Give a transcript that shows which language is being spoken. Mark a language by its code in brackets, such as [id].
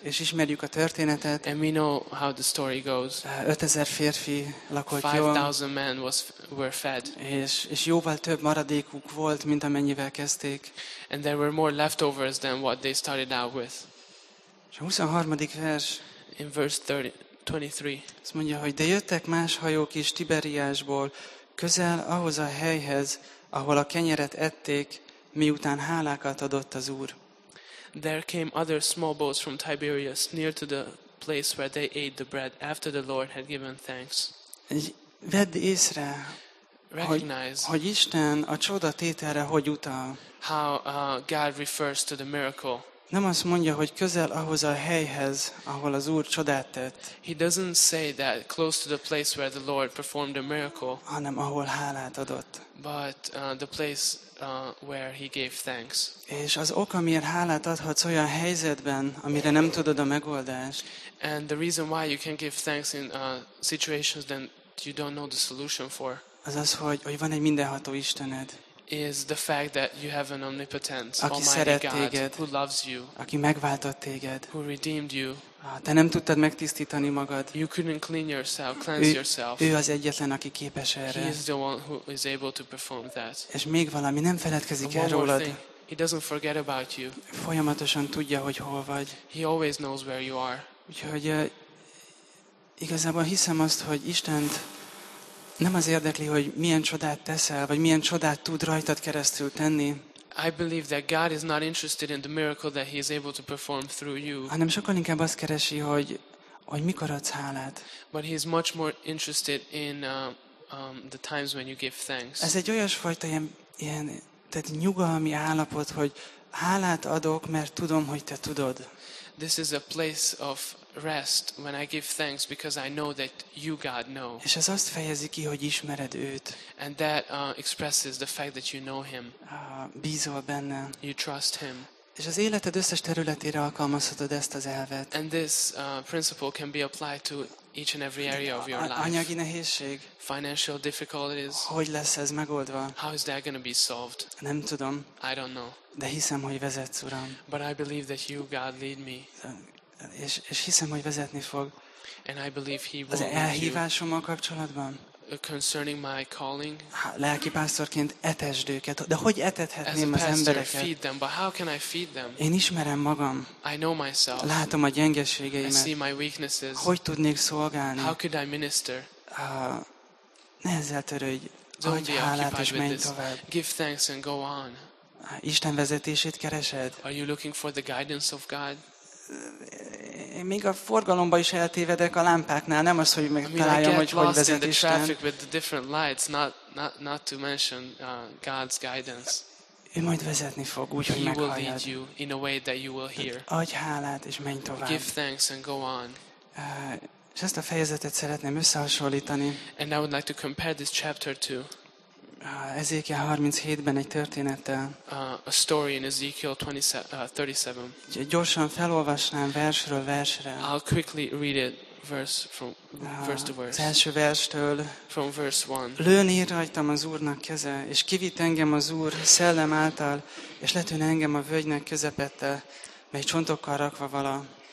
[hu] És ismerjük a történetet. [en] And we know how the story goes. [hu] 5000 férfi lakott jól. [en] 5000 men were fed. [hu] És jóval több maradékuk volt, mint amennyivel kezdték. [en] And there were more leftovers than what they started out with. [hu] És a 23. vers. [en] In verse 23. [hu] Azt mondja, hogy de jöttek más hajók is Tiberiásból, közel ahhoz a helyhez, ahol a kenyeret ették, miután hálákat adott az Úr. [en] There came other small boats from Tiberias near to the place where they ate the bread after the Lord had given thanks. [hu] Vedd észre, hogy Isten a csodatételre hogy utal. [en] How God refers to the miracle. [hu] Nem azt mondja, hogy közel ahhoz a helyhez, ahol az Úr csodát tett. [en] He doesn't say that close to the place where the Lord performed a miracle. [hu] Hanem ahol hálát adott. [en] But the place where he gave thanks. [hu] És az ok, amiért hálát adhatsz olyan helyzetben, amire nem tudod a megoldást. [en] And the reason why you can give thanks in situations that you don't know the solution for. [hu] Az az, hogy van egy mindenható Istened. [en] Is the fact that you have an omnipotent, [hu] aki [en] almighty [hu] téged, [en] God who loves you, [hu] aki megváltott téged, [en] who redeemed you. [hu] Te nem tudtad megtisztítani magad. [en] You couldn't clean yourself, cleanse yourself. [hu] Ő az egyetlen, aki képes erre. [en] He is the one who is able to perform that. [hu] És még valami, nem feledkezik el rólad. [en] He doesn't forget about you. [hu] Folyamatosan tudja, hogy hol vagy. [en] He always knows where you are. [hu] Úgyhogy igazából hiszem azt, hogy Istent nem az érdekli, hogy milyen csodát teszel, vagy milyen csodát tud rajtad keresztül tenni. [en] I believe that God is not interested in the miracle that he is able to perform through you. [hu] Hanem sokkal inkább azt keresi, hogy mikor adsz hálát. [en] But he is much more interested in the times when you give thanks. [hu] Ez egy olyasfajta ilyen tehát nyugalmi állapot, hogy hálát adok, mert tudom, hogy te tudod. [en] This is a place of rest when I give thanks because I know that you God know. [hu] És ez azt fejezi ki, hogy ismered őt. [en] And that expresses the fact that you know him. [hu] Bízol benne. [en] You trust him. [hu] És az életed összes területére alkalmazhatod ezt az elvet. [en] And this principle can be applied to each and every area of your life. [hu] Anyagi nehézség. [en] Financial difficulties. [hu] Hogy lesz ez megoldva? [en] How is that going to be solved? [hu] Nem tudom. [en] I don't know. [hu] De hiszem, hogy vezetsz, Uram. [en] But I believe that you God lead me. [hu] És hiszem, hogy vezetni fog. [en] And I believe he will. [hu] Az elhívásommal kapcsolatban. [en] Concerning my calling. [hu] Lelkipásztorként etesd őket, de hogy etethetném az embereket? [en] Feed them, but how can I feed them? [hu] Én ismerem magam. [en] I know myself. [hu] Látom a gyengeségeimet. [en] I see my weaknesses. [hu] Hogy tudnék szolgálni? [en] How could I minister? [hu] Ne ezzel törődj. Adj hálát és menj tovább. [en] Give thanks and go on. [hu] Isten vezetését keresed? [en] Are you looking for the guidance of God? [hu] Én még a forgalomba is eltévedek a lámpáknál, nem az, hogy megtaláljam, hogy hogy vezet Isten. [en] I get lost in the traffic with the different lights, not to mention God's guidance. [hu] Ő majd vezetni fog, úgy, hogy meghalljad. [en] He will lead you in a way that you will hear. [hu] Adj hálát, és menj tovább. [en] Give thanks and go on. [hu] És ezt a fejezetet szeretném összehasonlítani. [en] And I would like to compare this chapter to [hu] Ezékiel 37-ben egy történettel. [en] A story in Ezekiel 37. [hu] Gyorsan felolvasnám versről versre. [en] I'll quickly read it verse from verse to verse. [hu] Az első verstől. [en] From verse 1. [hu] Lőni rajtam az Úrnak keze, és kivitt engem az Úr szellem által, és letűn engem a völgynek közepette, mely csontokkal rakva vala.